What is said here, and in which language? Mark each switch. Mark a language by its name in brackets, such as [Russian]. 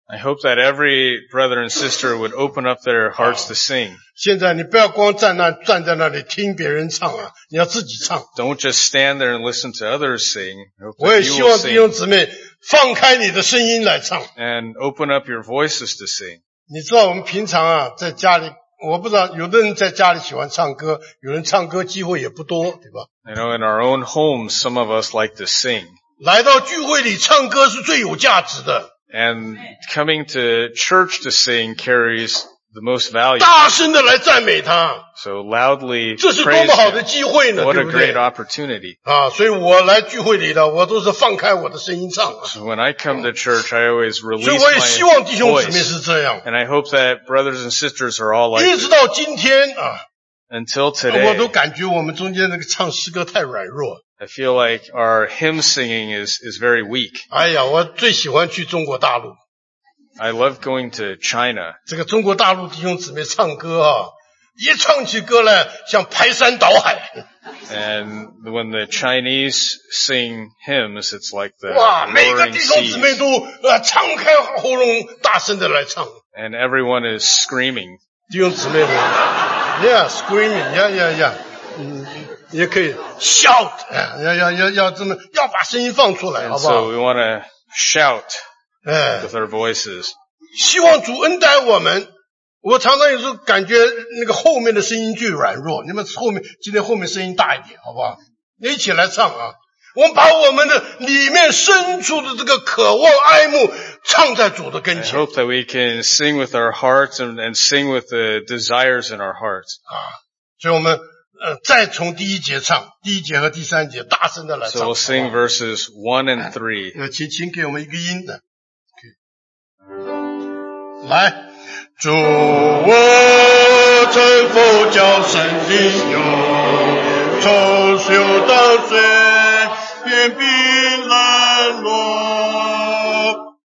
[English] I hope that every brother and sister would open up their hearts to sing. [Chinese] 现在你不要光站在那里听别人唱啊，你要自己唱。 [English] Don't just stand there and listen to others sing. [Chinese] 我也希望弟兄姊妹放开你的声音来唱。 [English] And open up your voices to sing. [Chinese] 你知道我们平常啊，在家里，我不知道有的人在家里喜欢唱歌，有人唱歌机会也不多，对吧？ [English] You know, in our own homes, some of us like to sing. [Chinese] 来到聚会里唱歌是最有价值的。 [English] And coming to church to sing carries the most value. [Chinese] 大声的来赞美他。 [English] So loudly praise. [Chinese] 这是多么好的机会呢？ [English] What a great opportunity. [Chinese] 啊，所以我来聚会里的，我都是放开我的声音唱。 [English] So when I come to church, I always release my voice. [Chinese] 所以我也希望弟兄姊妹是这样。 [English] And I hope that brothers and sisters are all like this. [Chinese] 一直到今天啊。 [English] Until today. [Chinese] 我都感觉我们中间那个唱诗歌太软弱。 [English] I feel like our hymn singing is very weak. [Chinese] 哎呀，我最喜欢去中国大陆。 [English] I love going to China. [Chinese] 这个中国大陆弟兄姊妹唱歌啊，一唱起歌来像排山倒海。 [English] And when the Chinese sing hymns, it's like the [Chinese] 哇，每个弟兄姊妹都敞开喉咙大声的来唱。 [English] And everyone is screaming. [Chinese] 弟兄姊妹们 [English] ，Yeah, screaming, yeah, yeah, yeah. 嗯。 [Chinese] 也可以 shout， 要这么要把声音放出来，好不好 [English] ？So we want to shout with our voices。 [Chinese] 希望主恩待我们。我常常有时候感觉那个后面的声音巨软弱，你们后面今天后面声音大一点，好不好？你一起来唱啊！我们把我们的里面深处的这个渴望哀慕唱在主的跟前。 [English] I hope that we can sing with our hearts and sing with the desires in our hearts。 [Chinese] 啊，所以我们。再从第一节唱，第一节和第三节大声的来唱。 [English] So we'll sing verses 1 and 3. [Chinese] 请给我们一个音的。Okay. 来。主我曾佛教圣灵有从修到水便必难落。